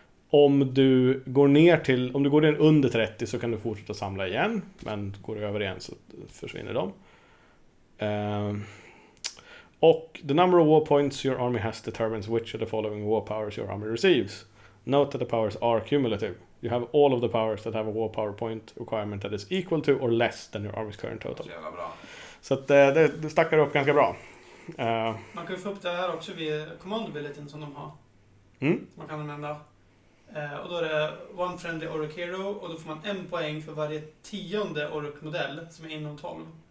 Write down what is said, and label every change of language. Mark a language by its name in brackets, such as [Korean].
[Swedish] Om du går ner under 30 så kan du fortsätta samla igen, men går du över igen så försvinner de. [English] Och the number of war points your army has determines which of the following war powers your army receives. Note that the powers are cumulative. You have all of the powers that have a war power point requirement that is equal to or less than your army's current total. [Swedish] Bra. Så att, det stackar upp ganska bra. Man kan ju få upp det här också via command abilityn som de har. Man kan använda. Och då är det [English] one friendly orc hero [Swedish] och då får man en poäng för varje tionde orc-modell som är inom 12.